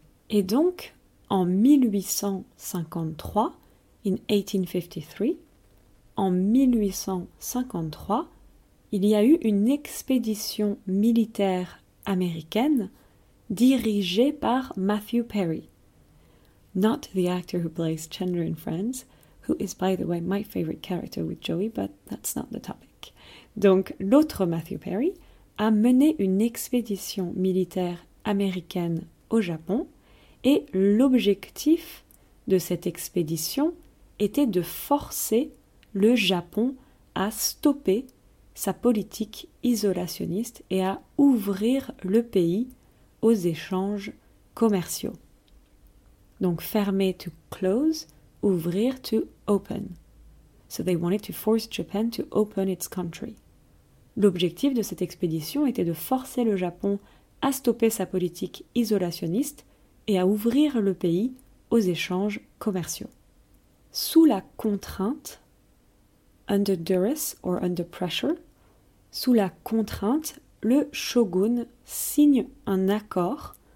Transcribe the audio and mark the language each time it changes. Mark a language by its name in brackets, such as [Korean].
[French] Et donc, en 1853, in 1853, en 1853, il y a eu une expédition militaire américaine dirigée par Matthew Perry. [English] Not the actor who plays Chandler in Friends, who is, by the way, my favorite character with Joey, but that's not the topic. [French] Donc, l'autre Matthew Perry a mené une expédition militaire américaine au Japon et l'objectif de cette expédition était de forcer le Japon à stopper sa politique isolationniste et à ouvrir le pays aux échanges commerciaux. Donc fermer, to close, ouvrir, to open. [English] So they wanted to force Japan to open its country. [French] L'objectif de cette expédition était de forcer le Japon à stopper sa politique isolationniste et à ouvrir le pays aux échanges commerciaux. Sous la contrainte, [English] under duress or under pressure, [French] sous la contrainte, le shogun signe un accord.